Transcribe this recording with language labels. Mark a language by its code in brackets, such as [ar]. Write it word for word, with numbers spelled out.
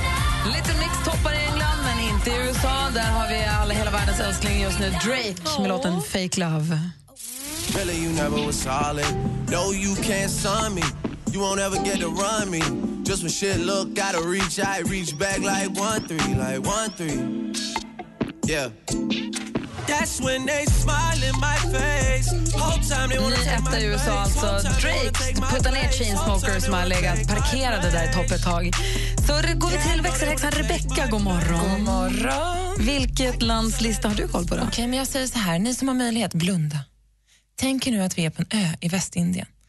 [sv] I U S A, där har vi alla, hela världens älskling just nu, Drake med låten Fake Love. [en] Really you never was solid. No you can't sign me. You won't ever get to run me. Just when shit look out of reach, I reach back like one three, like one three. Yeah. That's when they smile in my face. Whole time they wanna take my face. [sv] U S A alltså, Drake, putta ner Chainsmokers som har legat parkerade där i topp ett tag. Så går vi till växelhäxan Rebecca, god morgon. God morgon. Vilket landslista har du koll på då? Okej, okay, men jag säger så här, ni som har möjlighet, blunda. Tänk er nu att vi är på en ö i Västindien.